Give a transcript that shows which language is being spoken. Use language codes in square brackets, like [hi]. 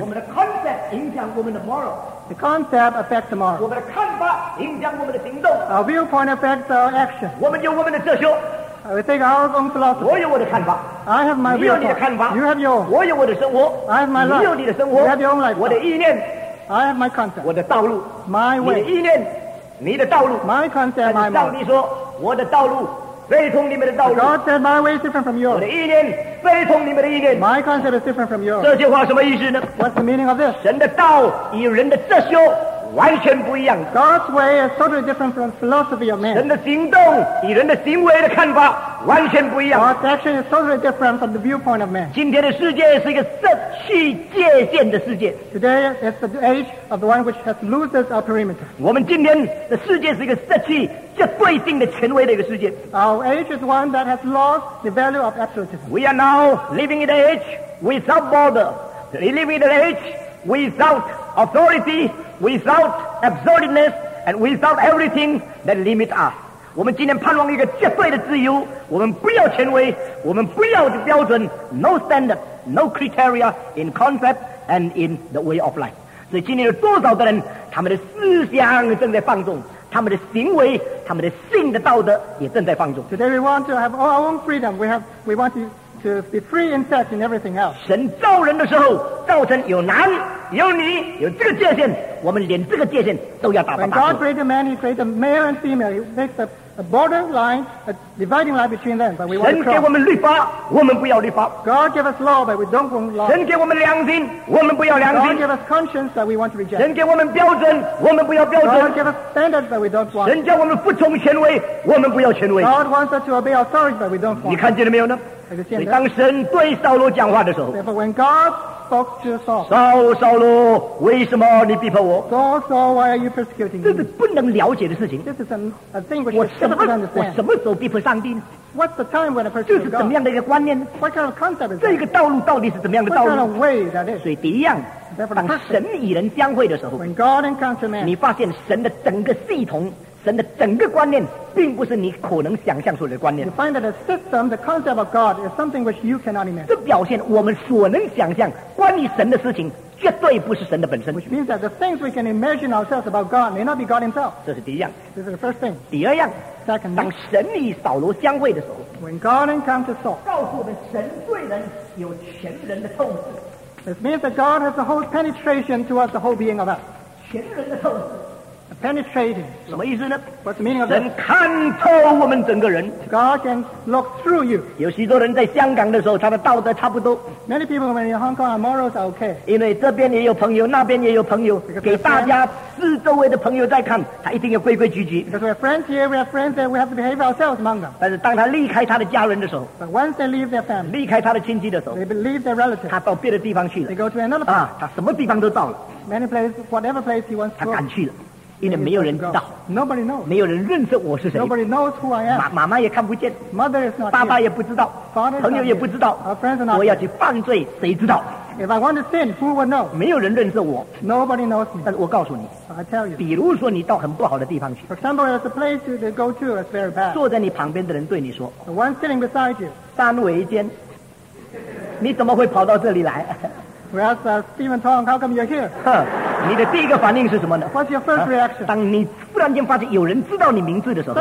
[zh] 我们的 concept 影响我们的 moral. [en] The concept affects the moral. [zh] 我们的看法影响我们的行动。 [en] Our viewpoint affects our action. [zh] 我们有我们的哲学。 [en] We take our own philosophy. [zh] 我有我的看法。 [en] I have my view. [zh] 你有你的看法。 [en] You have yours. [zh] 我有我的生活。 [en] I have my life. [zh] 你有你的生活。 [en] You have your own life. [zh] 我的意念。 [en] I have my concept. [zh] 我的道路。 [en] My way. [zh] 你的意念。你的道路。 [en] My concept, my mind. [zh] 上帝说，我的道路非同你们的道路。 [en] But God said, my way is different from yours. [zh] 我的意念非同你们的意念。 [en] My concept is different from yours. [zh] 这句话什么意思呢？ [en] What's the meaning of this? [zh] 神的道与人的哲学完全不一样。 [en] God's way is totally different from the philosophy of man. [zh] 人的行动与人的行为的看法完全不一样。 [en] God's action is totally different from the viewpoint of man. [zh] 今天的世界是一个失去界限的世界。 [en] Today is the age of the one which has loses our perimeter. [zh] 我们今天的世界是一个失去绝对性的权威的一个世界。 [en] Our age is one that has lost the value of absolutism. We are now living in an age without border. We live in an age without authority. Without absurdness and without everything that limits us. [zh] 我们今天盼望一个绝对的自由，我们不要权威，我们不要标准， [en] no standard, no criteria in concept and in the way of life. [zh] 所以今天有多少的人，他们的思想正在放纵，他们的行为，他们的性的道德也正在放纵。 [en] Today we want to have all our own freedom. We want to be free in sex and everything else. [zh] 神造人的时候，造成有男有你有这个界限，我们连这个界限都要打破。 [en] When God created man, He created male and female. He makes a borderline, a dividing line between them. But we want to cross. [zh] 神给我们律法，我们不要律法。 [en] God gave us law, but we don't want law. [zh] 神给我们良心，我们不要良心。 [en] God gave us conscience that we want to reject. [zh] 神给我们标准，我们不要标准。 [en] God gave us standards that we don't want. [zh] 神叫我们服从权威，我们不要权威。 [en] God wants us to obey authority, but we don't want. [zh] 你看见了没有呢？所以当神对扫罗讲话的时候 [en] ，Therefore, when God spoke to Saul, [zh] 扫罗，扫罗，为什么你逼迫我 [en] ？Saul, Saul, why are you persecuting me? [zh] 这是不能了解的事情。 [en] This is a thing which you cannot understand. [zh] 我什么时候逼迫上帝呢 [en] ？What's the time when I persecute God? [zh] 这是怎么样的一个观念 [en] ？What kind of concept is? [zh] 这个道路到底是怎么样的道路 [en] ？What kind of way that is? [zh] 所以第一样，当神与人相会的时候 [en] ，When God encounters man, [zh] 你发现神的整个系统。神的整个观念并不是你可能想象出来的观念。 [en] You find that the system, the concept of God, is something which you cannot imagine. [zh] 这表现我们所能想象关于神的事情，绝对不是神的本身。 [en] Which means that the things we can imagine ourselves about God may not be God Himself. [zh] 这是第一样。 [en] This is the first thing. [zh] 第二样。 [en] Second. [zh] 当神与扫罗相会的时候 [en] ，When God encounters Saul, [zh] 告诉我们神对人有全人的透视。 [en] This means that God has a whole penetration towards the whole being of us. [zh] 全人的透视。 [en] Penetrating. [zh] 什么意思呢 [en] ？What's the meaning of that? [zh] 神看透我们整个人。 [en] God can look through you. [zh] 有许多人在香港的时候，他的道德差不多。 [en] Many people when in Hong Kong, our morals are okay. [zh] 因为这边也有朋友，那边也有朋友， [en] Because、 [zh] 给大家四周围的朋友在看，他一定要规规矩矩。 [en] Because we have friends here, we have friends there, we have to behave ourselves among them. [zh] 但是当他离开他的家人的时候 [en] ，But once they leave their family, [zh] 离开他的亲戚的时候 [en] ，They leave their relatives. [zh] 他到别的地方去了。 [en] They go to another place. [zh] 他什么地方都到了。 [en] Many places, whatever place he wants to go. [zh] 他敢去了。因为没有人知道 [en] Nobody knows. [zh] 没有人认识我是谁 [en] Nobody knows who I am. [zh] 妈妈也看不见 [en] Mother is not [zh] 爸爸也不知道 [en] Father [zh] 朋友也不知道 [en] Our friends are not [zh] 我要去犯罪谁知道 [en] If I want to sin, who would know? [zh] 没有人认识我 [en] Nobody knows me. [zh] 但是我告诉你 [en] I tell you. [zh] 比如说你到很不好的地方去 [en] For example, there's a place you go to that's very bad. [zh] 坐在你旁边的人对你说 [en] The one sitting beside you. [zh] 三维间你怎么会跑到这里来 [en] We ask Stephen Tong, how come you're here? [zh] 你的第一个反应是什么呢 [en] What's your first reaction? [zh] 当你突然间发现有人知道你名字的时候